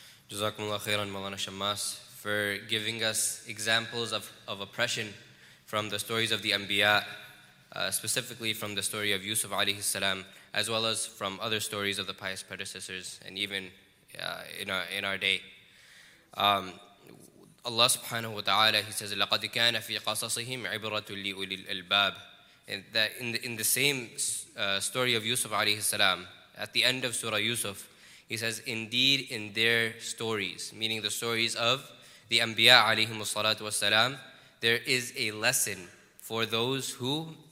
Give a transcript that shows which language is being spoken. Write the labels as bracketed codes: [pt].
[en] Jazakumullahu khairan, Mawlana Shammas, for giving us examples of oppression from the stories of the Anbiya. Specifically from the story of Yusuf alayhi salam, as well as from other stories of the pious predecessors, and even in our day. Allah subhanahu wa ta'ala, He says, [ar] لَقَدْ كَانَ فِي قَصَصِهِمْ عِبْرَةٌ لِأُولِي الْأَلْبَابِ. [en] And that in the same story of Yusuf alayhi salam, at the end of Surah Yusuf, He says, indeed in their stories, meaning the stories of the Anbiya alayhim salatu wa salam, there is a lesson for those who...